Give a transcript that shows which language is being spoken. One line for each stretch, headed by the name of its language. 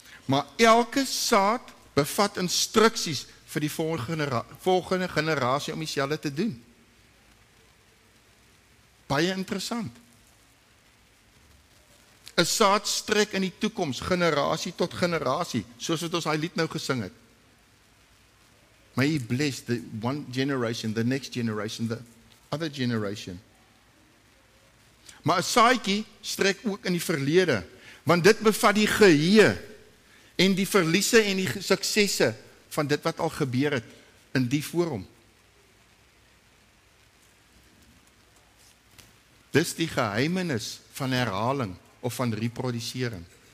Afrikaans: Maar elke saad bevat instruksies vir die volgende generasie om dieselfde te doen. Baie interessant. 'N Saad strek in die toekoms, generasie tot generasie, soos wat ons daai lied nou gesing het.
English: May he bless the one generation, the next generation, the other generation.
Afrikaans: Maar 'n saadjie strek ook in die verlede, want dit bevat die geheue en die verliese en die suksesse van dit wat al gebeur het in die voor hom. Dis die geheimenis van herhaling of van reproduisering.